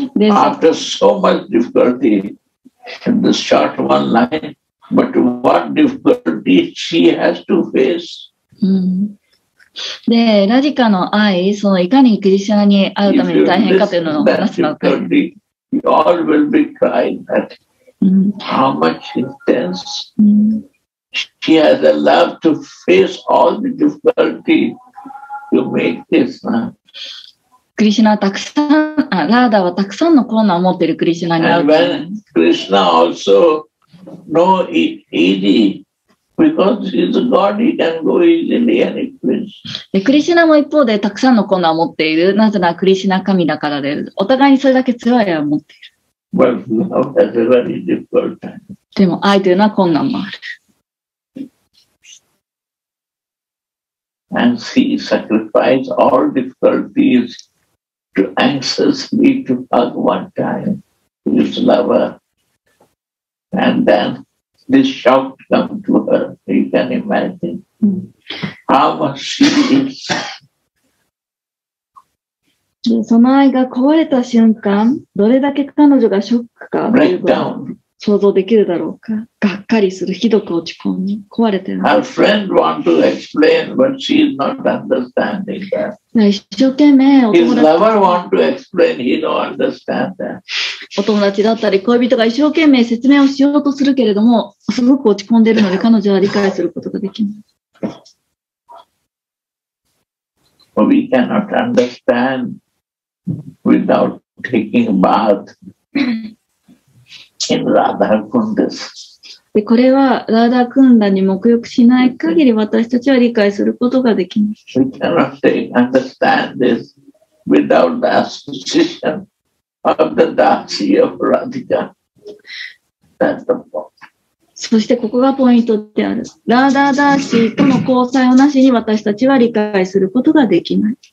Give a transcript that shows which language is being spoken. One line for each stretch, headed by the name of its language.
English: After so much difficulty, the short one line, but what difficulty she has to face.、
Japanese: で、ラディカの愛、そのいかにクリシュナに会うために大変かというのを話すのか。
English: You all will be crying at how much intense she has a love to face all the difficulty to make this man.
Japanese: クリシュナはたくさん、ラーダはたくさんの困難を持っているクリシュナに会う。
English: And when Krishna also know easy, because he's a god, he can go easily any place.
Japanese: クリシュナも一方でたくさんの困難を持っている。なぜならクリシュナ神だからです。お互いにそれだけ強い愛を持っている。
English: But love has a very difficult time.
Japanese: でも愛というのは困難もある。
English: And she sacrifice all difficulties. To anxiously to hug one time his lover, and then this shock comes to her. You can imagine how much she is.
Japanese: その愛が壊れた瞬間、どれだけ彼女がショックかということを想像できるだろうか。がっかりする、ひどく落ち込み、壊れてる。
English: Her friend wants to explain, but she is not understanding that.
Japanese: 一生懸命、
English: His lover wants to explain, he don't understand that.
Japanese: お友達だったり、恋人が一生懸命説明をしようとするけれども、すごく落ち込んでるので、彼女は理解することができない。
English: We cannot understand without taking bath. In Radha Kundas.
Japanese: でこれはラダクンダに沐浴しない限り私たちは理解することができない
English: 。We cannot understand this without the association of the Dasi of Radhika. That's the point.
Japanese: そしてここがポイントである。ラーダーダーシーとの交際をなしに私たちは理解することができない。